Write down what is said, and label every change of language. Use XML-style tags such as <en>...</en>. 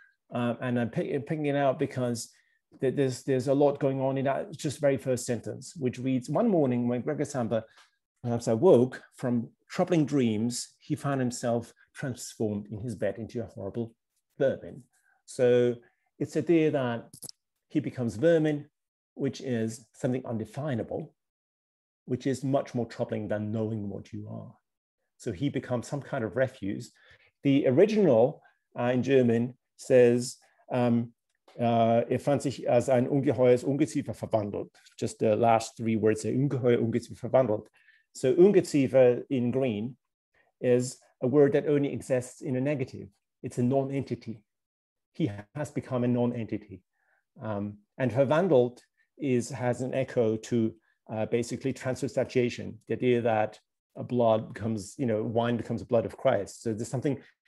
<en>And I'm picking it out because there's a lot going on in that just very first sentence, which reads, one morning when Gregor Samsa perhaps awoke from troubling dreams, he found himself transformed in his bed into a horrible vermin. So it's a idea that he becomes vermin, which is something undefinable, which is much more troubling than knowing what you are. So he becomes some kind of refuse. The original in German says,</en> <de>er fand sich als ein ungeheures Ungeziefer verwandelt.</de> <en>Just the last three words say</en> <de>ungeheuer Ungeziefer verwandelt.</de> <en>So Ungeziefer in green is a word that only exists in a negative. It's a non-entity. He has become a non-entity. And verwandelt has an echo to basically transubstantiation, the idea that a blood becomes, you know, wine becomes the blood of Christ. So there's something</en>